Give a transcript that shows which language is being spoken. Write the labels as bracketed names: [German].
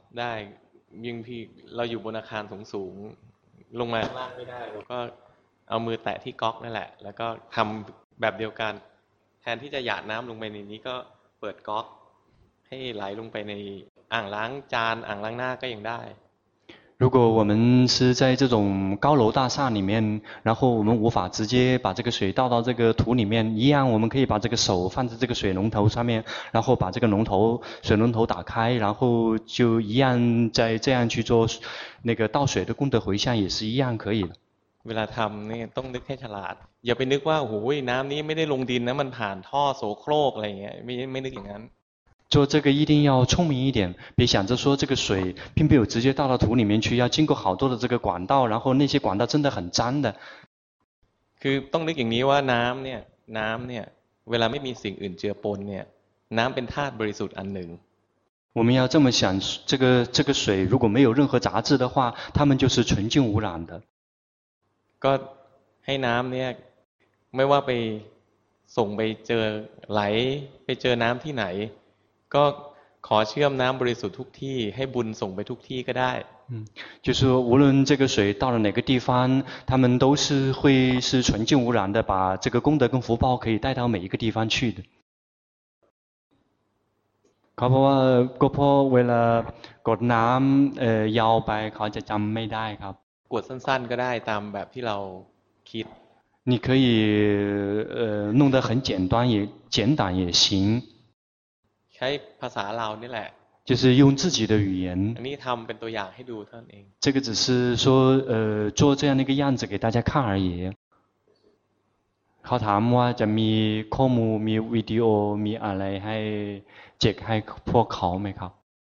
[Thai] ได้ยิ่งพี่เราอยู่บนอาคารสูงๆลงมาข้างล่างไม่ได้เราก็เอามือแตะที่ก๊อกนั่นแหละแล้วก็ทำแบบเดียวกันแทนที่จะหยาดน้ำลงไปในนี้ก็เปิดก๊อกให้ไหลลงไปในอ่างล้างจานอ่างล้างหน้าก็ยังได้ [Chinese] 如果我们是在这种高楼大厦里面，然后我们无法直接把这个水倒到这个土里面，一样我们可以把这个手放在这个水龙头上面，然后把这个水龙头打开，然后就一样再这样去做那个倒水的功德回向也是一样可以的。 [Thai] เวลาทำเนี่ยต้องนึกให้ฉลาดอย่าไปนึกว่าโอ้ยน้ำนี้ไม่ได้ลงดินนะมันผ่านท่อโสโครกอะไรเงี้ยไม่นึกอย่างนั้น [Chinese] 做这个一定要聪明一点，别想着说这个水并没有直接倒到土里面去，要经过好多的这个管道，然后那些管道真的很脏的。 [Thai] คือต้องนึกอย่างนี้ว่าน้ำเนี่ยเวลาไม่มีสิ่งอื่นเจือปนเนี่ยน้ำเป็นธาตุบริสุทธิ์อันหนึ่ง [Chinese] 我们要这么想，这个水如果没有任何杂质的话，它们就是纯净无染的。 [Thai] ก็ให้น้ำเนี่ยไม่ว่าไปส่งไปเจอไหลไปเจอน้ำที่ไหนก็ขอเชื่อมน้ำบริสุทธิ์ทุกที่ให้บุญส่งไปทุกที่ก็ได้ [Chinese] 就是无论这个水到了哪个地方他们都是会是纯净无染的把这个功德跟福报可以带到每一个地方去的 [Thai] ครับเพราะว่าก็เพราะเวลากดน้ำยาวไปเขาจะจำไม่ได้ครับ กดสั้นๆก็ได้ตามแบบที่เราคิด [Chinese] 你可以弄得很简单也行 [Thai] ใช้ภาษาเรานี่แหละ [Chinese] 就是用自己的语言 [Thai] อันนี้ทำเป็นตัวอย่างให้ดูเท่านั้นเอง [Chinese] 这个只是说做这样的一个样子给大家看而已 [Thai] เขาถามว่าจะมีข้อมูลมีวิดีโอมีอะไรให้เจกให้พวกเขาไหมครับ